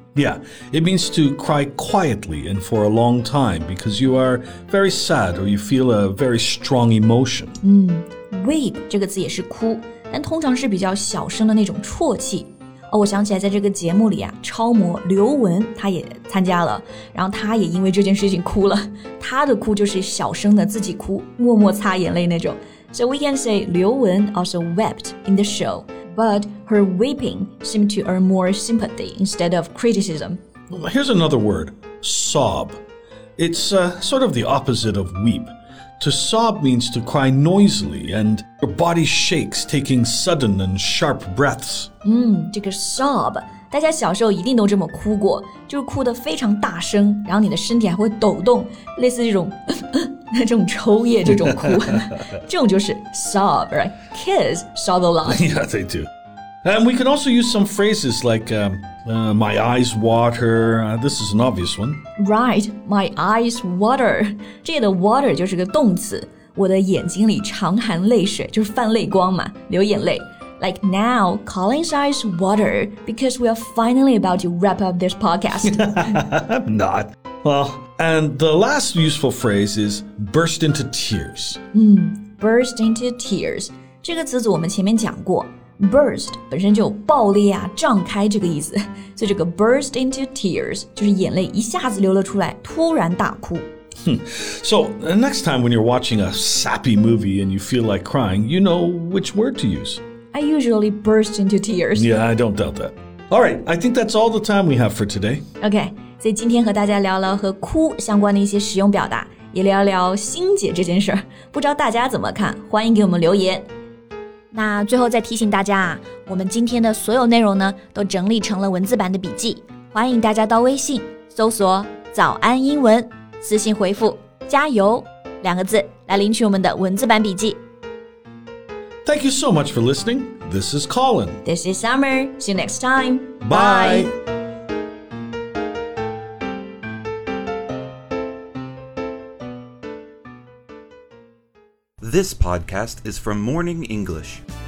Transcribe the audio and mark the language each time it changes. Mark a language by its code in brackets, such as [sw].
[en] Yeah, it means to cry quietly and for a long time because you are very sad or you feel a very strong emotion. [zh] Weep 这个字也是哭，但通常是比较小声的那种啜泣。哦，我想起来，在这个节目里啊，超模刘雯她也参加了，然后她也因为这件事情哭了。她的哭就是小声的自己哭，默默擦眼泪那种。 [en] So we can say 刘雯 also wept in the show. But her weeping seemed to earn more sympathy instead of criticism. Here's another word, sob. It's、sort of the opposite of weep. To sob means to cry noisily and your body shakes, taking sudden and sharp breaths. [zh] 这个 sob, 大家小时候一定都这么哭过，就是哭得非常大声，然后你的身体还会抖动，类似这种这种抽噎这种哭这种就是 sob, right? [en] Kids sob a lot. Yeah, they do. And we can also use some phrases like my eyes water. This is an obvious one. Right, my eyes water. [zh] 这里的 water 就是个动词。我的眼睛里常含泪水就是泛泪光嘛流眼泪。 [en] Like now, Colin's eyes water because we are finally about to wrap up this podcast. I'm not. And the last useful phrase is burst into tears. Burst into tears. [zh] 这个词组我们前面讲过 Burst 本身就有爆裂啊胀开这个意思。所以这个 burst into tears 就是眼泪一下子流了出来突然大哭。 [en] So, next time when you're watching a sappy movie and you feel like crying, you know which word to use. I usually burst into tears. Yeah, I don't doubt that. All right, I think that's all the time we have for today. Okay. [zh] 所以今天和大家聊了和哭相关的一些使用表达，也聊聊欣姐这件事儿。不知道大家怎么看？欢迎给我们留言。那最后再提醒大家啊，我们今天的所有内容呢，都整理成了文字版的笔记，欢迎大家到微信搜索“早安英文”，私信回复“加油”两个字来领取我们的文字版笔记。 [en] Thank you so much for listening. This is Colin. This is Summer. See you next time. Bye. This podcast is from Morning English.